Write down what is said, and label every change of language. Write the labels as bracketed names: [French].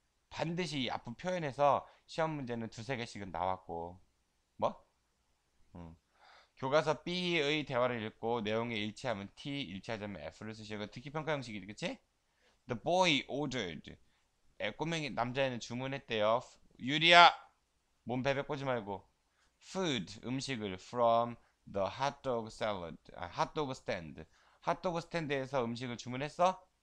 [Korean] 반드시 이 앞부분 표현해서 시험 문제는 두세 개씩은 나왔고. 뭐? 교과서 B의 대화를 읽고 내용에 일치하면 T, 일치하자면 F를 쓰시고 듣기평가 형식이지, 그치? [English] The boy ordered. [Korean] 꼬맹이, 남자애는 주문했대요. 유리야! 몸 베베 꼬지 말고. [English] Food, [Korean] 음식을 [English] from the hotdog salad, 아, hotdog stand. [Korean] 핫도그 스탠드에서 음식을 주문했어?